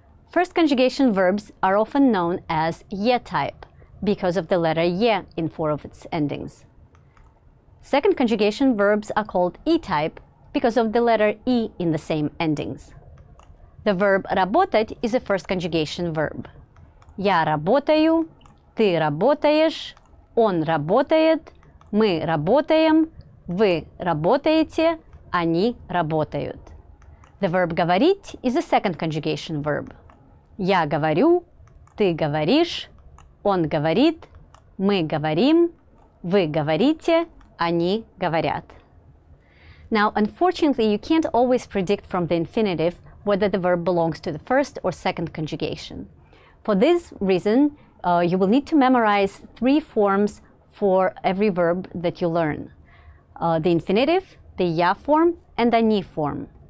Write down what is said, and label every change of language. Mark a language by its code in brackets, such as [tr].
[en] First conjugation verbs are often known as ye type because of the letter ye in four of its endings. Second conjugation verbs are called e type because of the letter e in the same endings. The verb работать is a first conjugation verb. [ru] Я работаю, ты работаешь, он работает, мы работаем, вы работаете, они работают. [en] The verb говорить is a second conjugation verb. [ru] Я говорю, ты говоришь, он говорит, мы говорим, вы говорите, они говорят. [en] Now, unfortunately, you can't always predict from the infinitive whether the verb belongs to the first or second conjugation. For this reason, you will need to memorize three forms for every verb that you learn. The infinitive, the я form, and the они form.